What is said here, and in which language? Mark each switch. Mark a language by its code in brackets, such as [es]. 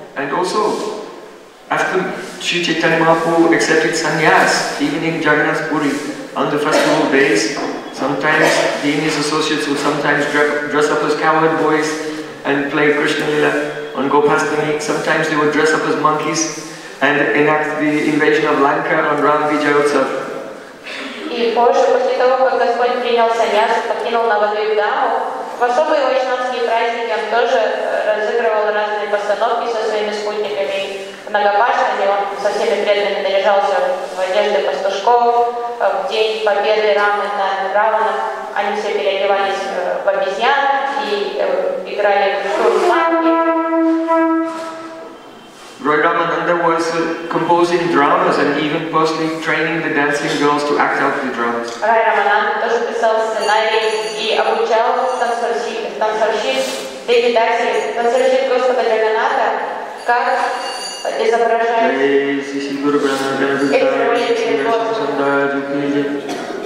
[en] And also, after Sri Chaitanya Mahaprabhu accepted sannyas, even in Jagannath Puri, on the festival days, sometimes he and his associates would sometimes dress up as cowherd boys and play Krishna Lila on Gopastami. Sometimes they would dress up as monkeys and enact the invasion of Lanka on Ram Vijayotsav. [ru] И позже, после того, как Господь принял саньяс, покинул Навадвипдаму, в особые вайшнавские праздники он тоже разыгрывал разные постановки со своими спутниками. В Нагапашане он со всеми преданными наряжался в одежды пастушков. В день победы Рамы над Раваном они все переодевались в обезьян и играли в шурманки. [en] Roy Ramananda was composing dramas and even personally training the dancing girls to act out the dramas. [ru] Roy Ramananda тоже писал сценарий и обучал танцовщиц Господа Джаганната, как изображать.